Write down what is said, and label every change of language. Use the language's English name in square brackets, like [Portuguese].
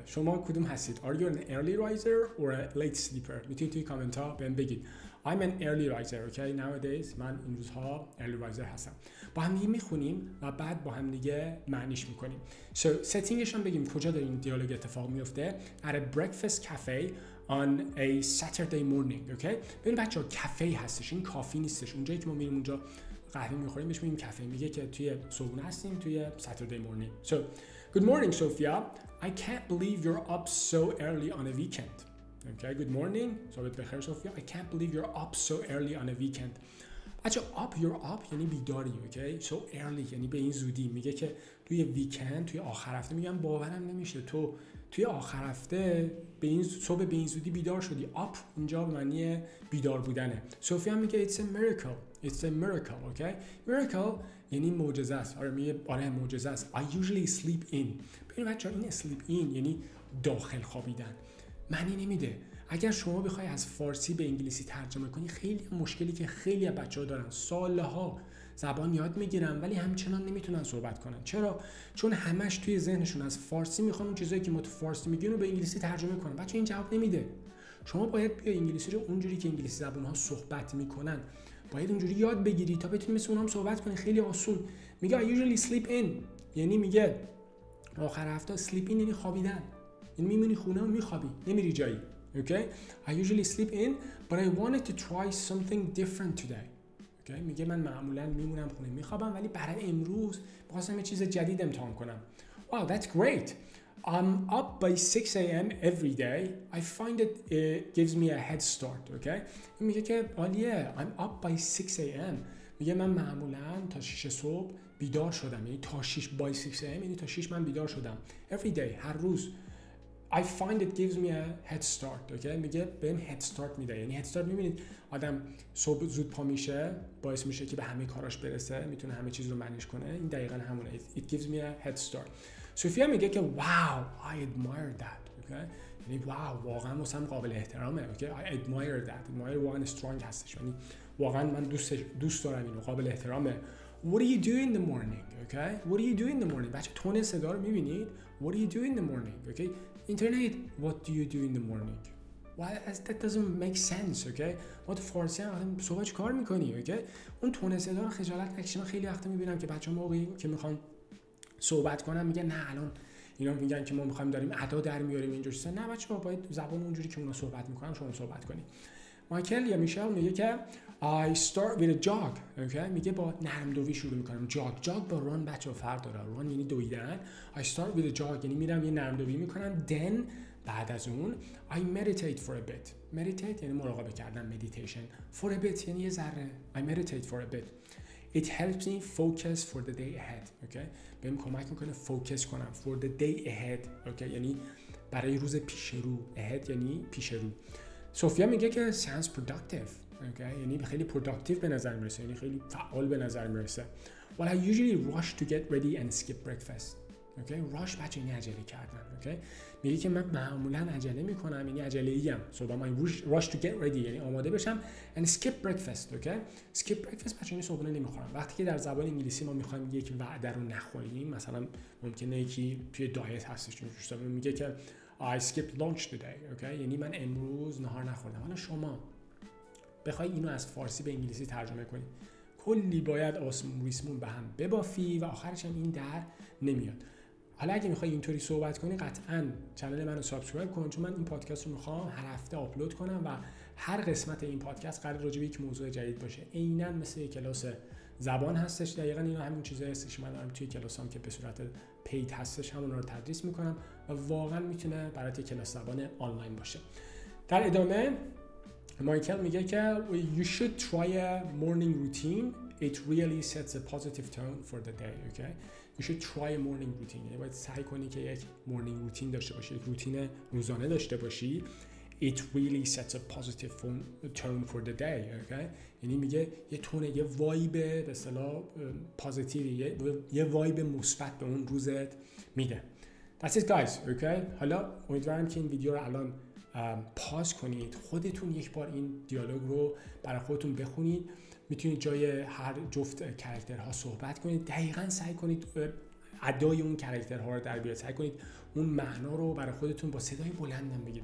[Persian] شما کدوم هستید؟ [English] Are you an early riser or a late sleeper? [Persian] میتونید توی کامنت ها بهم بگید. [English] I'm an early riser, okay? Nowadays, [Persian] من این روزها [English] early riser هستم. [Persian] با هم دیگه میخونیم و بعد با هم دیگه معنیش میکنیم. So, settingش هم بگیم کجا داریم دیالوگ اتفاق میفته. [English] At a breakfast cafe on a Saturday morning, okay? [Persian] ببینید بچه ها، کافه هستش. این کافی نیستش. اونجایی که ما میریم اونجا قهوه میخوریم بهش میگیم کافه. میگه که توی صبحونه هستیم توی [English] Saturday morning. So, good morning, Sophia. I can't believe you're up so early on a weekend. Okay, good morning. [Persian] صبحت بخیر سوفیا. [English] I can't believe you're up so early on a weekend. [Persian] بچه up، you're up یعنی بیداری، okay؟ [English] So early [Persian] یعنی به این زودی. میگه که توی ویکند، توی آخر هفته، میگم باورم نمیشه تو توی آخر هفته به این صبح به این زودی بیدار شدی. up اینجا به معنی بیدار بودنه. سوفیا میگه [English] it's a miracle. It's a miracle, okay? [Persian] Miracle یعنی معجزه است. آره میگه آره معجزه است. [English] I usually sleep in. [Persian] ببین بچه‌ها، این sleep in یعنی داخل خوابیدن. معنی نمیده. اگر شما بخوای از فارسی به انگلیسی ترجمه کنی، خیلی مشکلی که خیلی از بچه‌ها دارن، سالها زبان یاد میگیرن ولی همچنان نمیتونن صحبت کنن. چرا؟ چون همش توی ذهنشون از فارسی میخوان اون چیزایی که ما تو فارسی میگیم رو به انگلیسی ترجمه کنن. بچه‌ها این جواب نمیده. شما باید بیا انگلیسی رو اونجوری که انگلیسی زبان‌ها صحبت میکنن، باید اونجوری یاد بگیری تا بتونی مثل اونها صحبت کنی خیلی آسون. میگه [English] I usually sleep in، [Persian] یعنی میگه آخر هفته. sleep in یعنی خوابیدن. این میمونی خونه و میخوابی، نمیری جایی. [English] Okay? I usually sleep in, but I wanted to try something different today. Okay? [Persian] میگه من معمولا میمونم خونه میخوابم، ولی برای امروز میخواستم یه چیز جدید امتحان کنم. [English] Wow, that's great. I'm up by 6 a.m. every day. I find it gives me a head start. Okay? [Persian] میگه که عالیه. [English] I'm up by 6 a.m. [Persian] میگه من معمولا تا 6 صبح بیدار شدم. یعنی تا 6 by 6 a.m. یعنی تا 6 من بیدار شدم. [English] Every day، [Persian] هر روز. [English] I find it gives me a head start. [Persian] Okay, میگه بهم head start میده. یعنی head start میبینید آدم صبح زود پا میشه، باعث میشه که به همه کاراش برسه، میتونه همه چیز رو منیج کنه. این دقیقاً همونه. [English] It gives me a head start. [Persian] سوفیا میگه که [English] wow, I admire that. [Persian] Okay, یعنی wow، واقعاً واسم قابل احترامه. Okay, [English] I admire that. [Persian] Admire واقعاً strong هستش. یعنی واقعاً من دوست دارم اینو، قابل احترامه. [English] What do you do in the morning? Okay, what do you do in the morning? [Persian] بچه تون صدا رو میبینید. [English] What do you do in the morning? Okay. Internet, what do you do in the morning? Well, that doesn't make sense, okay? What for say, [Persian] صبح چه کار میکنی, okay? اون تونه صدا رو خجالت نکشیم. خیلی وقت میبینم که بچه ها موقعی که میخوان صحبت کنم میگه نه الان اینا میگن که ما میخوایم داریم ادا در میاریم اینجور چیزا. نه بچه ما باید زبان اونجوری که اونا صحبت میکنن شما صحبت کنیم. مایکل یا میشل میگه که [English] I start with a jog. Okay? [Persian] میگه با نرم دوی شروع میکنم. جاگ. جاگ با رون بچه و فرق داره. رون یعنی دویدن. [English] I start with a jog. [Persian] یعنی میرم یه نرم دوی میکنم. [English] Then [Persian] بعد از اون [English] I meditate for a bit. [Persian] Meditate یعنی مراقبه کردن. [English] Meditation. [Persian] For a bit یعنی یه ذره. [English] I meditate for a bit. It helps me focus for the day ahead. Okay? [Persian] بهم کمک میکنه focus کنم. [English] For the day ahead. Okay? [Persian] یعنی برای روز پیش رو. Ahead یعنی پیش رو. سوفیا میگه که [English] sounds productive. Okay? [Persian] یعنی خیلی productive به نظر میرسه، یعنی خیلی فعال به نظر میرسه. [English] Well, I usually rush to get ready and skip breakfast. Okay? [Persian] Rush بچه اینی عجله کردن. [English] Okay? [Persian] میگه که من معمولا عجله میکنم، یعنی عجله ایم. [English] So I rush to get ready [Persian] یعنی آماده بشم [English] and skip breakfast. Okay? [Persian] Skip breakfast بچه اینی صبحونه نمیخورم. وقتی که در زبان انگلیسی ما میخوایم یک وعده رو نخوریم، مثلا ممکنه یکی توی دایت هستش میگه که [English] I skipped lunch today. [Persian] Okay, یعنی من امروز نهار نخوردم. حالا شما بخوای اینو از فارسی به انگلیسی ترجمه کنی، کلی باید آسمون ریسمون به هم ببافی و آخرش هم این در نمیاد. حالا اگه میخوای اینطوری صحبت کنی، قطعا کانال منو سابسکرایب کن، چون من این پادکست رو میخوام هر هفته آپلود کنم و هر قسمت این پادکست قراره راجع به یک موضوع جدید باشه، عیناً مثل کلاس زبان هستش. دقیقا اینا همین چیزایی هستش که من دارم توی کلاسام که به صورت پید هستش همون رو تدریس میکنم و واقعا میتونه برای کلاس زبان آنلاین باشه. در ادامه مایکل میگه که [English] you should try a morning routine, it really sets a positive tone for the day. Okay, you should try a morning routine. [Persian] یعنی باید سعی کنی که یک morning routine داشته باشی، یک روتین روزانه داشته باشی. [English] It really sets a positive tone for the day. [Persian] Okay, یعنی میگه یه تون، یه وایب به اصطلاح پوزتیو، یه وایب مثبت به اون روزت میده. [English] That's it guys. [Persian] Okay, حالا امیدوارم که این ویدیو رو الان پاس کنید، خودتون یک بار این دیالوگ رو برای خودتون بخونید، میتونید جای هر جفت کاراکترها صحبت کنید، دقیقاً سعی کنید ادای اون کاراکترها رو در بیارید، سعی کنید اون معنا رو برای خودتون با صدای بلندم بگید.